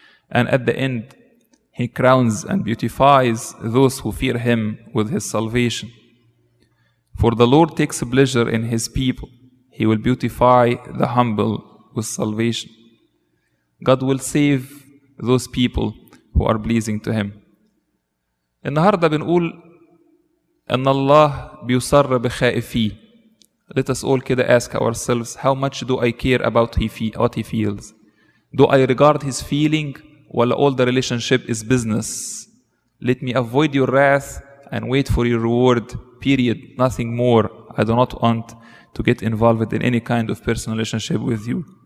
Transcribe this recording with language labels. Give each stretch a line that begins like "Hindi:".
English: And at the end he crowns and beautifies those who fear him with his salvation. For the Lord takes pleasure in his people. He will beautify the humble with salvation. God will save those people who are pleasing to him.
Arabic: النهاردة بنقول أن الله بيسر بخائفيه.
English: Let us all كده ask ourselves, how much do I care about what he feels? Do I regard his feeling? Well, all the relationship is business. Let me avoid your wrath and wait for your reward, period. Nothing more. I do not want to get involved in any kind of personal relationship with you.